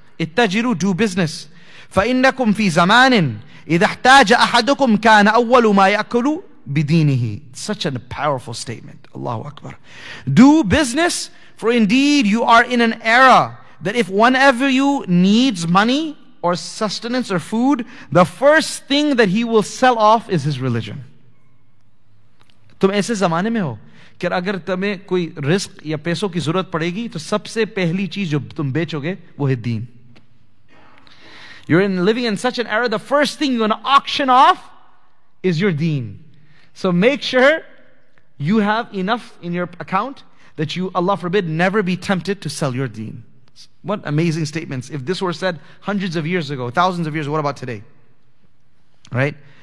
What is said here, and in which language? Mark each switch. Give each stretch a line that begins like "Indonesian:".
Arabic: Ittajiru,
English: do business.
Arabic: فَإِنَّكُمْ فِي زَمَانٍ إِذَا احْتَاجَ أَحَدُكُمْ كَانَ أَوَّلُ مَا يَأْكُلُ بِدِينِهِ.
English: Such a powerful statement.
Arabic: Allahu Akbar.
English: Do business, for indeed you are in an era that if one of you needs money or sustenance or food, the first thing that he will sell off is his religion.
Urdu: تم ایسے زمانے میں ہو کہ اگر تمہیں کوئی رزق یا پیسوں کی ضرورت پڑے گی تو سب سے پہلی چیز جو تم بیچو گے وہ ہے دین.
English: You're living in such an era, the first thing you're going to auction off is your deen. So make sure you have enough in your account that you, Allah forbid, never be tempted to sell your deen. What amazing statements. If this were said hundreds of years ago, thousands of years, what about today? Right?